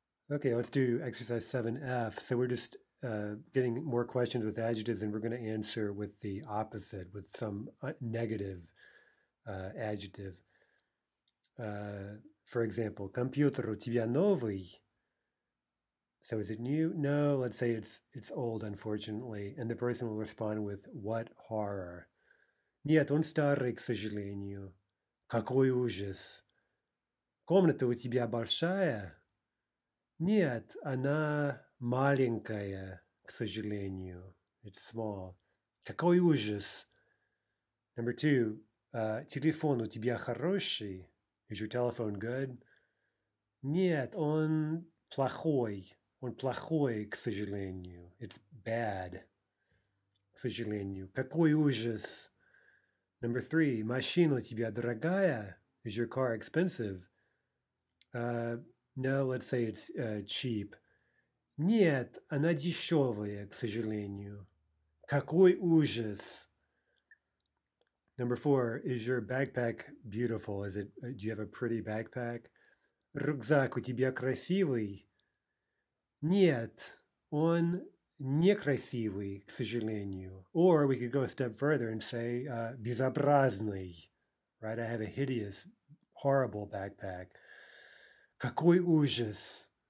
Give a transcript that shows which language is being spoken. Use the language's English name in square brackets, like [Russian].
[English] Okay, let's do exercise 7F. So we're just getting more questions with adjectives, and we're going to answer with the opposite, with some negative adjective. For example, компьютер у тебя новый? So is it new? No, let's say it's old, unfortunately, and the person will respond with what horror? [Russian] Нет, он старый, к сожалению. Какой ужас! Комната у тебя большая? Нет, она маленькая, к сожалению. [English] It's small. [Russian] Какой ужас! [English] Number two, [Russian] телефон у тебя хороший? [English] Is your telephone good? [Russian] Нет, он плохой. Он плохой, к сожалению. [English] It's bad. [Russian] К сожалению. Какой ужас! [English] Number three, [Russian] машина у тебя дорогая? [English] Is your car expensive? No, let's say it's cheap. [Russian] Нет, она дешевая, к сожалению. Какой ужас! [English] Number four, is your backpack beautiful? Is it, do you have a pretty backpack? [Russian] Рюкзак у тебя красивый? Нет, он некрасивый, к сожалению. [English] Or we could go a step further and say, безобразный, right? I have a hideous, horrible backpack. [Russian] Какой ужас!